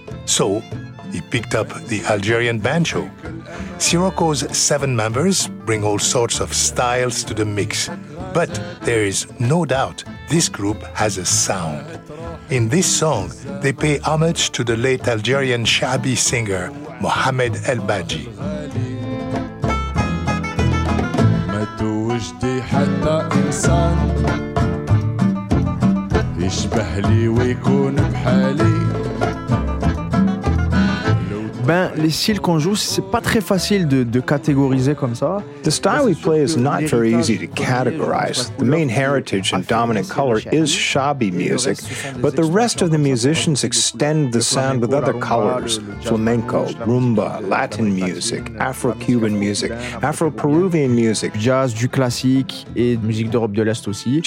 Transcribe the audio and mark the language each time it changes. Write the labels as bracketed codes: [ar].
[en] So he picked up the Algerian banjo. Sirocco's seven members bring all sorts of styles to the mix. But there is no doubt this group has a sound. In this song, they pay homage to the late Algerian shabi singer Mohamed El Badji. [ar] وجدي حتى إنسان يشبه لي ويكون بحالي. [fr] Ben, les styles qu'on joue, c'est pas très facile de catégoriser comme ça. [en] The style we play is not very easy to categorize. The main heritage and dominant color is shabi music, but the rest of the musicians extend the sound with other colors: flamenco, rumba, Latin music, Afro-Cuban music, Afro-Peruvian music, [fr] jazz, du classique et musique d'Europe de l'Est aussi.